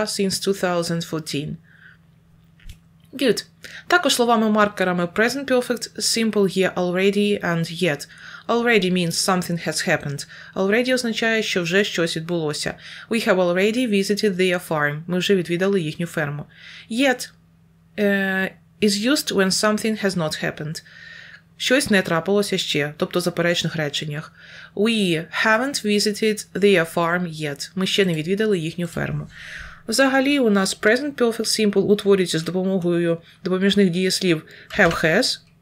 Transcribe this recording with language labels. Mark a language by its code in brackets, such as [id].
[en] Since 2014. Good. [uk] Також словами-маркерами present perfect, simple є [en] already and yet. Already means something has happened. Already [uk] означає, що вже щось відбулося. [en] We have already visited their farm. [uk] Ми вже відвідали їхню ферму. [en] Yet is used when something has not happened. [uk] Щось не трапилося ще, тобто в заперечних реченнях. [en] We haven't visited their farm yet. [uk] Ми ще не відвідали їхню ферму. Взагалі у нас present perfect simple утворюється з допомогою допоміжних дієслів have, has.